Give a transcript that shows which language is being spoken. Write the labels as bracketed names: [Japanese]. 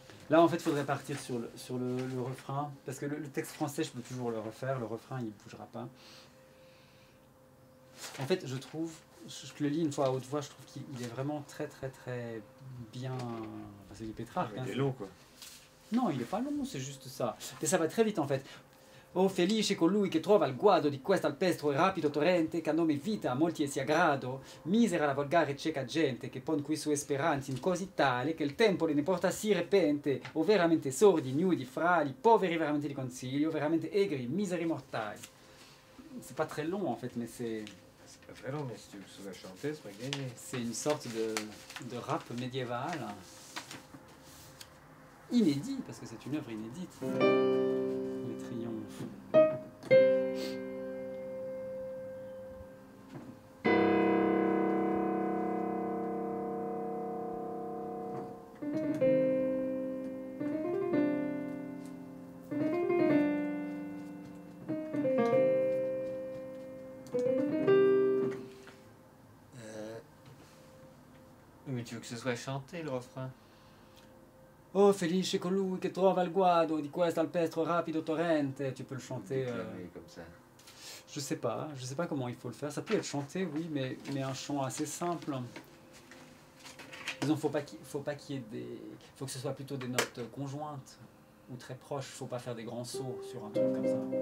[French] Là, en fait, il faudrait partir sur le refrain, parce que le texte français, je peux toujours le refaire, le refrain, il ne bougera pas. En fait, je trouve, je le lis une fois à haute voix, je trouve qu'il est vraiment très, très, très bien... Enfin, c'est du Pétrarque. Hein, il est long, quoi. Non, il n'est pas long, c'est juste ça. Mais ça va très vite, en fait. [Italian] O felice colui che trova il guado di questo alpestro e rapido torrente che a nome vita a molti sia grado, misera la volgare cieca gente che pon qui sue speranze in così tale che il tempo le ne porta si repente, o veramente sordi, nudi, frali, poveri veramente di consiglio, veramente egri, miseri mortali. [French] C'est pas très long, en fait, mais c'est... C'est pas très long, mais si tu veux la chanter, c'est pas gagné. C'est une sorte de rap médiéval. Inédit, parce que c'est une œuvre inédite. Les triomphes. Mais tu veux que ce soit chanté, le refrain? [Italian] Oh, felice colui che trova il guado di questo alpestro rapido torrente. [French] Tu peux le chanter. Comme ça. Je sais pas comment il faut le faire. Ça peut être chanté, oui, mais un chant assez simple. Disons, faut que ce soit plutôt des notes conjointes ou très proches. Faut pas faire des grands sauts sur un truc comme ça.